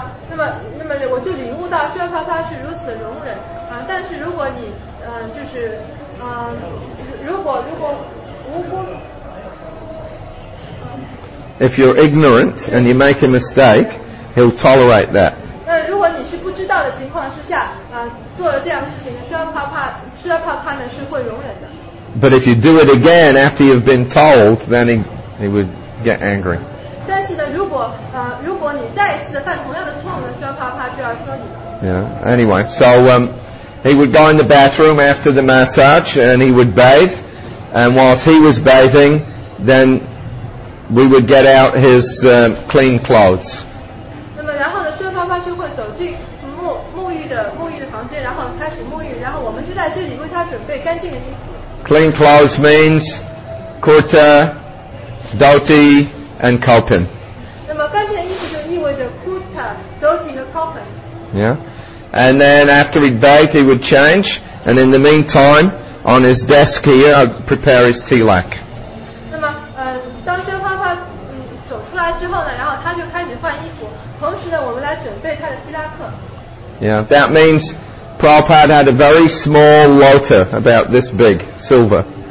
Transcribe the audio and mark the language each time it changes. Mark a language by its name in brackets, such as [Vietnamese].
[Chinese] 那么我就领悟到修泡泡是如此容忍啊，但是如果你就是如果无辜。 [English] If you're ignorant and you make a mistake, he'll tolerate that. [Chinese] 那如果你是不知道的情况之下啊，做了这样的事情，修泡泡呢是会容忍的。 [English] But if you do it again after you've been told, then he would. Get angry. [Chinese] 但是呢，如果你再一次犯同样的错误呢，修泡泡就要说你。 [English] Yeah. Anyway, so he would go in the bathroom after the massage, and he would bathe. And whilst he was bathing, then we would get out his clean clothes. [Chinese] 那么然后呢，修泡泡就会走进沐浴的房间，然后开始沐浴，然后我们就在这里为他准备干净的衣服。 [English] Clean clothes means kurta. Dhoti and Kalpin. [Chinese] 那么干净的衣服就意味着 Kurta, Dhoti 和 Kalpin. [English] Yeah. And then after he'd bathed, he would change. And in the meantime, on his desk here, I'd prepare his tilak. [Chinese] 那么当修泡泡走出来之后呢，然后他就开始换衣服，同时呢，我们来准备他的提拉克。 [English] Yeah, that means Prabhupada had a very small lota, about this big, silver.